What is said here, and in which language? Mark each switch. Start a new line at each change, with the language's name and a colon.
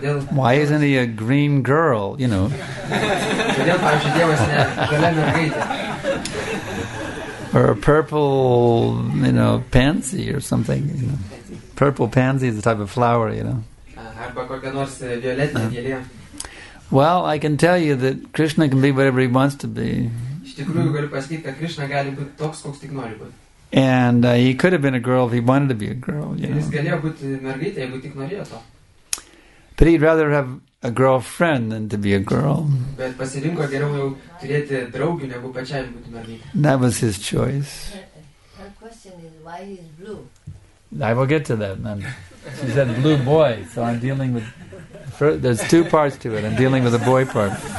English: Why isn't he a green girl, you know?
Lithuanian: Kodėl, pavyzdžiui, Dievas gale mergaitė?
English: Or a purple, you know, pansy or something, you know. Purple pansy is a type of flower, you know.
Lithuanian: Arba kokia nors violetinė gėlė.
English: Well, I can tell you that Krishna can be whatever he wants to be.
Lithuanian: Iš tikrųjų galiu pasakyti, kad Krishna gali būti toks, koks tik nori būti.
English: And he could have been a girl if he wanted to be a girl, you know.
Lithuanian: Jis galėjo būti mergaitė, jeigu tik norėjo to.
English: But he'd rather have a girlfriend than to be a girl.
Lithuanian: Bet pasirinko geriau jau turėti draugių, negu pačiai būti mergaitė.
English: That was his choice. Her question is, why is blue? I will get to that. She said blue boy, so I'm dealing with... First, there's two parts to it. I'm dealing with the boy part.